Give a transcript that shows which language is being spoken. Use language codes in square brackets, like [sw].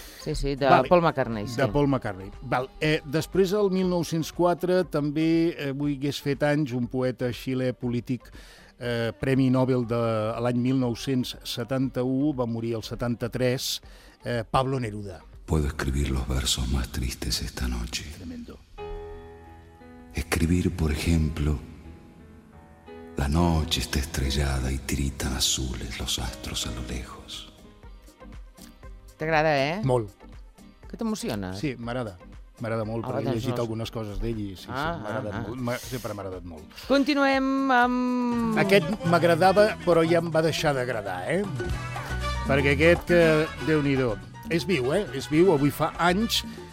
[ca] Sí, sí, de vale. Paul McCartney. Sí. De Paul McCartney. Val. Després, el 1904, també avui hagués fet anys un poeta xilè polític, Premi Nobel de l'any 1971, va morir el 73, Pablo Neruda. [es] Puedo escribir los versos más tristes esta noche. Tremendo. Escribir, por ejemplo... La noche está estrellada y tiritan azules los astros a lo lejos. [ca] T'agrada, eh? Molt. Que t'emociona? Sí, m'agrada. M'agrada molt, perquè he llegit algunes coses d'ell i sempre m'ha agradat molt. Continuem amb... Aquest m'agradava, però ja em va deixar d'agradar, eh? Perquè aquest, déu-n'hi-do. És viu, eh? És viu, avui fa anys.